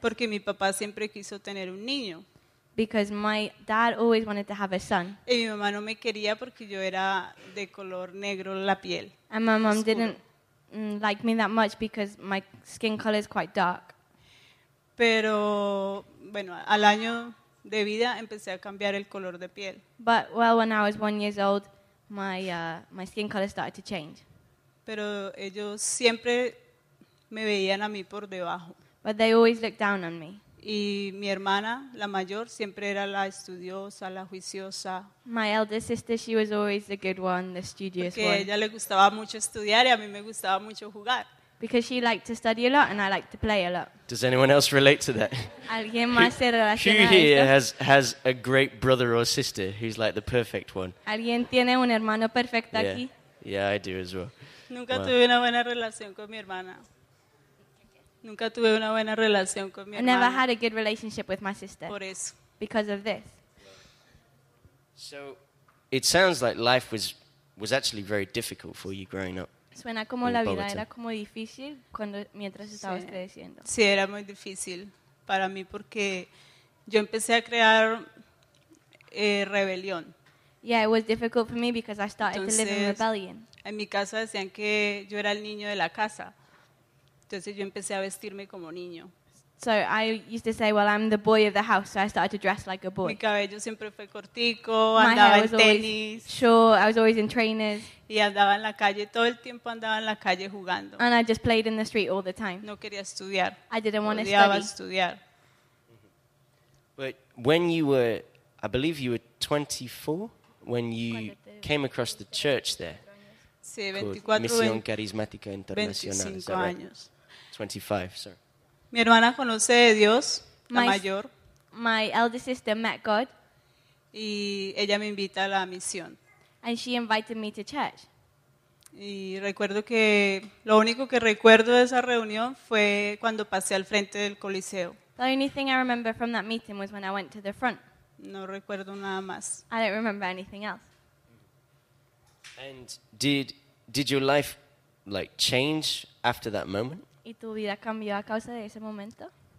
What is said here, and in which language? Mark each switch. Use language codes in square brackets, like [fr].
[es] Porque mi papá siempre quiso tener un niño. [en] Because my dad always wanted to have a son. [es] Y mi mamá no me quería porque yo era de color negro la piel. [en] And my mom [es] oscuro. [en] Didn't like me that much because my skin color is quite dark. [es] Pero, bueno, al año de vida empecé a cambiar el color de piel. [en] But, well, when I was 1 year old, my skin color started to change. [es] Pero ellos siempre me veían a mí por debajo. [en] But they always looked down on me. [es] Y mi hermana, la mayor, siempre era la estudiosa, la juiciosa. [en] My elder sister, she was always the good one, the studious [es] porque [en] one. [es] Porque a ella le gustaba mucho estudiar y a mí me gustaba mucho jugar. [en] Because she liked to study a lot and I liked to play a lot. Does anyone else relate to that? [es] Alguien más se relaciona. [en] Who here has a great brother or sister who's like the perfect one? [es] Alguien tiene un hermano perfecto aquí? [en] Yeah, I do as well. [es] Nunca tuve una buena relación con mi hermana. Nunca tuve una buena relación con mi hermana. [en] I never had a good relationship with my sister. [es] Por eso. [en] Because of this. So, it sounds like life was actually very difficult for you growing up. [es] Suena como la vida era como difícil cuando mientras estabas creciendo. Sí, era muy difícil para mí porque yo empecé a crear rebelión. [en] Yeah, it was difficult for me because I started to live in rebellion. [es] En mi casa decían que yo era el niño de la casa. Entonces yo empecé a vestirme como niño. [en] So I used to say, well, I'm the boy of the house, so I started to dress like a boy. [es] Mi cabello siempre fue cortico, andaba en tenis. [en] Sure, I was always in trainers. [es] Y andaba en la calle, todo el tiempo andaba en la calle jugando. [en] And I just played in the street all the time. [es] No quería estudiar. [en] I didn't want to study. [es] Odiaba estudiar. [en] But when you were, I believe you were 24, when you came across the church there, [es] sí, 24, Misión Carismática Internacional, 25 right? años. [en] 25, sorry. [es] Mi hermana conoce a Dios, la mayor. [en] My elder sister met God. [es] Y ella me invita a la misión. [en] And she invited me to church. [es] Y recuerdo que lo único que recuerdo de esa reunión fue cuando pasé al frente del Coliseo. [en] The only thing I remember from that meeting was when I went to the front. [es] No recuerdo nada más. [en] I don't remember anything else. And did your life like change after that moment? [es] ¿Y tu vida cambió a causa de ese momento?